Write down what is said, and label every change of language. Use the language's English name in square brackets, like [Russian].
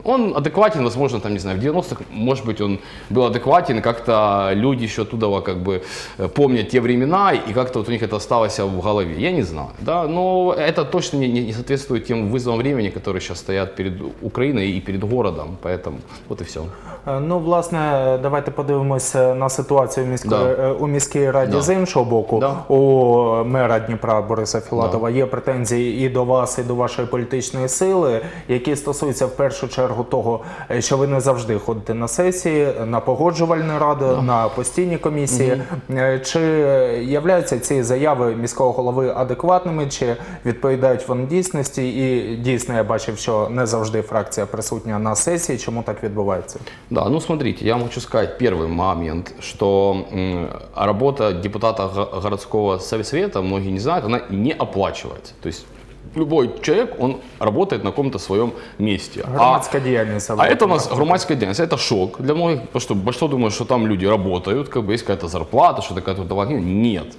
[Russian] Он адекватен, возможно, там, не знаю, в 90-х, может быть, он был адекватен, как-то люди еще оттуда как бы помнят те времена, и как-то вот у них это осталось в голове, я не знаю. Да? Но это точно не соответствует тем вызовам времени, которые сейчас стоят перед Украиной и перед городом, поэтому вот и все. [Ukrainian] Ну, власне, давайте подивимося на ситуацію у міській раді з іншого боку. Да. У мера Дніпра Бориса Філатова є претензії і до вас, і до вашої політичної сили, які стосуються в першу чергу того, що ви не завжди ходите на сесії, на погоджувальні ради, на постійні комісії. Чи являються ці заяви міського голови адекватними, чи відповідають вони дійсності? І дійсно, я бачив, що не завжди фракція присутня на сесії. Чому так відбувається? [Russian] Да, ну смотрите, я вам хочу сказать первый момент, что работа депутата городского совета, многие не знают, она не оплачивается. То есть любой человек, он работает на каком-то своем месте. Громадская деятельность. А это у нас громадская деятельность. Это шок для многих, потому что большинство думают, что там люди работают, как бы есть какая-то зарплата, что-то какая-то вот. Нет.